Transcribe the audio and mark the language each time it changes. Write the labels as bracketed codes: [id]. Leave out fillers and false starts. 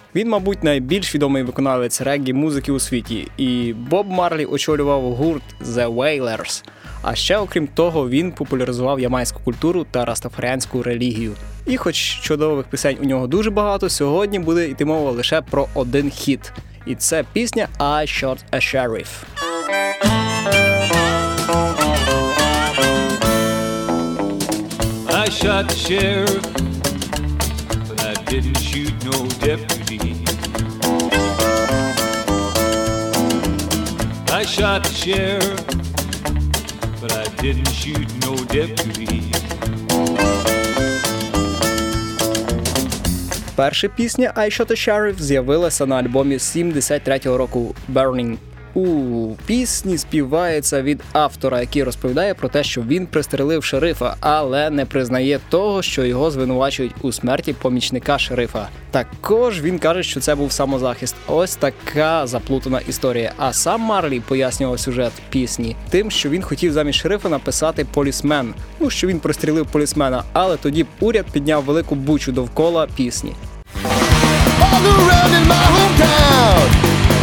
[uk] Він, мабуть, найбільш відомий виконавець реггі-музики у світі, і Боб Марлі очолював гурт «The Wailers». А ще, окрім того, він популяризував ямайську культуру та растафаріанську релігію. І хоч чудових пісень у нього дуже багато, сьогодні буде йти мова лише про один хіт. І це пісня «I Shot a Sheriff». [en] I shot the sheriff, but I didn't shoot no deputy. I shot the sheriff, but I didn't shoot no deputy. [uk] Перша пісня «I Shot a Sheriff» з'явилася на альбомі 73-го року «Burning». У пісні співається від автора, який розповідає про те, що він пристрелив шерифа, але не признає того, що його звинувачують у смерті помічника шерифа. Також він каже, що це був самозахист. Ось така заплутана історія. А сам Марлі пояснював сюжет пісні тим, що він хотів замість шерифа написати «полісмен». Ну, що він пристрілив полісмена, але тоді б уряд підняв велику бучу довкола пісні. [en] All around in my hometown.